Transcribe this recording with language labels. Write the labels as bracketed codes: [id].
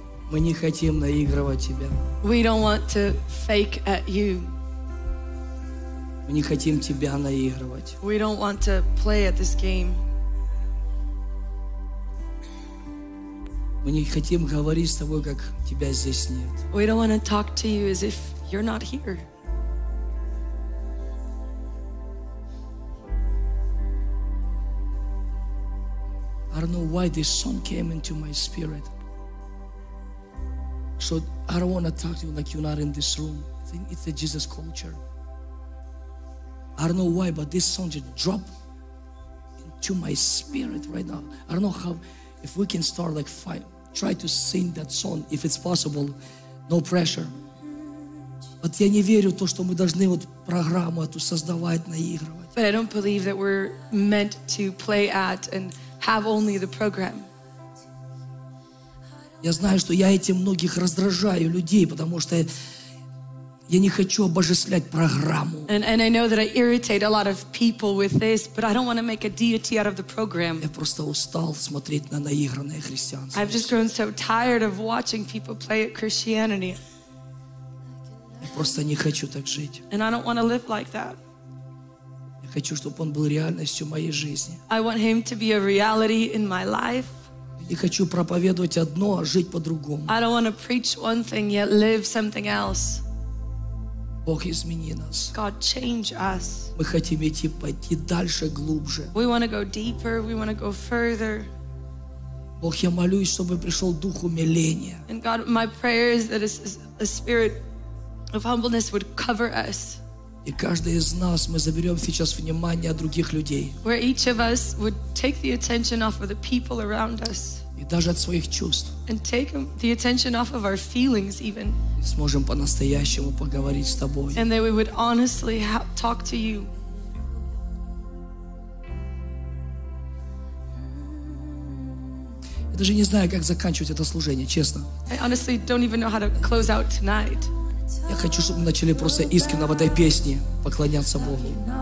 [ru] Ми не хотим наигрывать тебя. [en] We don't want to fake at you. [ru] Ми не хотим тебя наигрывать. [en] We don't want to play at this game. [ru] Ми не хотим говорить с тобой, как тебя здесь нет. [en] We don't want to talk to you as if you're not here. I don't know why this song came into my spirit. So I don't want to talk to you like you're not in this room. I think it's a Jesus culture. I don't know why, but this song just dropped into my spirit right now. I don't know how, if we can start like five, try to sing that song if it's possible, no pressure. But [ru] я не верю то, что мы должны вот программу эту создавать, наигрывать. [en] But I don't believe that we're meant to play at and have only the program. [ru] Я знаю, что я этим многих раздражаю людей, потому что я не хочу обожествлять программу. [en] And I know that I irritate a lot of people with this, but I don't want to make a deity out of the program. [ru] Я просто устал смотреть на наигранное христианство. [en] I've just grown so tired of watching people play at Christianity. [ru] Я просто не хочу так жить. [en] And I don't want to live like that. [ru] Я хочу, чтобы он был реальностью моей жизни. [en] I want him to be a reality in my life. [ru] И хочу проповедовать одно, а жить по-другому. [en] I don't want to preach one thing yet live something else. [ru] Бог, измени нас. [en] God, change us. [ru] Мы хотим идти, пойти дальше, глубже. [en] We want to go deeper, we want to go further. [ru] Бог, я молюсь, чтобы пришел дух умиления. [en] And God, my prayer is that a spirit of humbleness would cover us. [ru] И каждый из нас, мы заберем сейчас внимание от других людей. [en] Where each of us would take the attention off of the people around us. [ru] И даже от своих чувств. [en] And take the attention off of our feelings even. [ru] И сможем по-настоящему поговорить с тобой. [en] And that we would honestly talk to you. [ru] Я даже не знаю, как заканчивать это служение, честно. [en] I honestly don't even know how to close out tonight. [ru] Я хочу, чтобы мы начали просто искренне в этой песне поклоняться Богу.